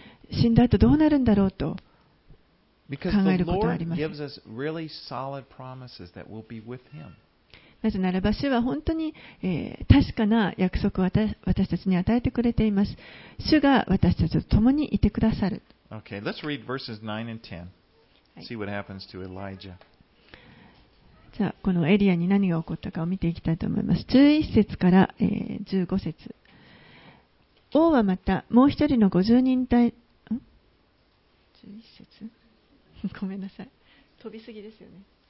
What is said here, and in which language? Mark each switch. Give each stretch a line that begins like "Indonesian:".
Japanese: 死んだ後どうなるんだろうと考えることはあります。
English: Because the Lord gives us really solid promises that we'll be with Him.
Japanese: なぜならば主は本当に、確かな約束を私たちに与えてくれています。主が私たちと共にいてくださる。
English: Okay, let's read verses 9 and 10. See what happens to Elijah.
Japanese: じゃあこのエリアに何が起こったかを見ていきたいと思います。11節から、15節。王はまたもう一人の50人隊11節ごめんなさい、飛びすぎですよね。